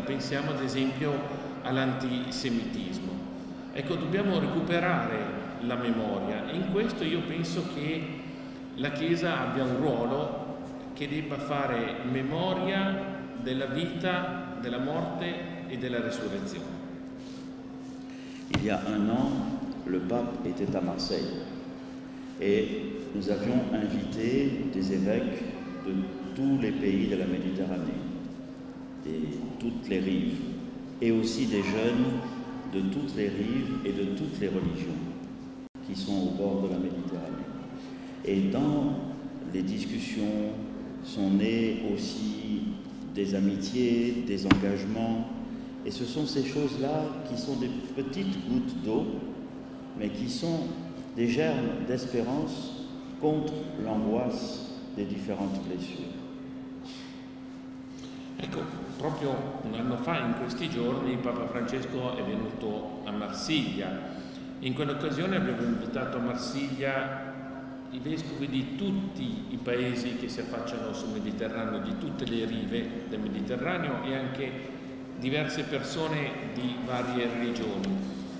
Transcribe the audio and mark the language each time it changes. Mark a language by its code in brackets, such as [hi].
[it] Pensiamo ad esempio all'antisemitismo. Ecco, dobbiamo recuperare la memoria e in questo io penso che la Chiesa abbia un ruolo che debba fare memoria della vita, della morte e della resurrezione. [fr] Il y a un an, le pape était à Marseille. Et nous avions invité des évêques de tous les pays de la Méditerranée, de toutes les rives, et aussi des jeunes de toutes les rives et de toutes les religions qui sont au bord de la Méditerranée. Et dans les discussions sont nées aussi des amitiés, des engagements, et ce sont ces choses-là qui sont des petites gouttes d'eau, mais qui sont des germes d'espérance contre l'angoisse des différentes blessures. [it] Ecco, proprio un anno fa, in questi giorni, Papa Francesco è venuto a Marsiglia. In quell'occasione abbiamo invitato a Marsiglia i vescovi di tutti i paesi che si affacciano sul Mediterraneo, di tutte le rive del Mediterraneo e anche diverse persone di varie religioni.